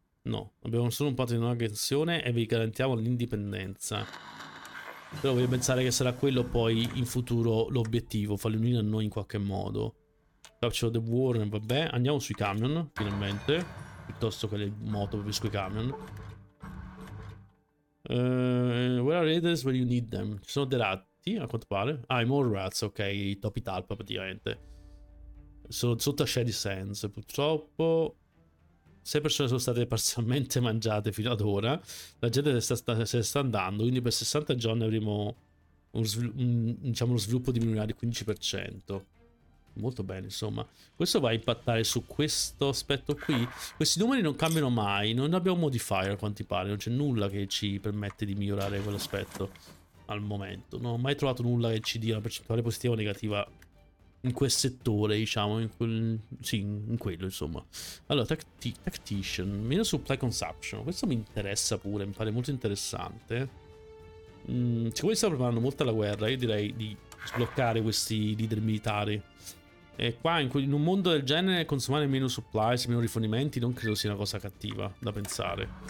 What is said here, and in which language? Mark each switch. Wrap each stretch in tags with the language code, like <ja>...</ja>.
<it>No, abbiamo solo un patto di non aggressione e vi garantiamo l'indipendenza. Però voglio pensare che sarà quello poi in futuro l'obiettivo, farli unire a noi in qualche modo. Faccio The Warren, vabbè, andiamo sui camion, finalmente. Piuttosto che le moto, proprio sui camion.</it> <en>Where are raiders when you need them?</en> <it>Ci sono dei ratti, a quanto pare. Ah, i more rats, ok, i topi talpa praticamente. Sono sotto a Shady Sands, purtroppo... 6 persone sono state parzialmente mangiate fino ad ora. La gente se sta andando. Quindi per 60 giorni avremo uno sviluppo di minerali 15%. Molto bene, insomma. Questo va a impattare su questo aspetto qui. Questi numeri non cambiano mai. Non abbiamo modifier, a quanti pare. Non c'è nulla che ci permette di migliorare quell'aspetto al momento. Non ho mai trovato nulla che ci dia una percentuale positiva o negativa in quel settore, diciamo, in quello, insomma. Allora, tactician, meno supply consumption. Questo mi interessa pure, mi pare molto interessante. Siccome stiamo preparando molto alla guerra, io direi di sbloccare questi leader militari. E qua, in un mondo del genere, consumare meno supplies, meno rifornimenti, non credo sia una cosa cattiva da pensare.</it>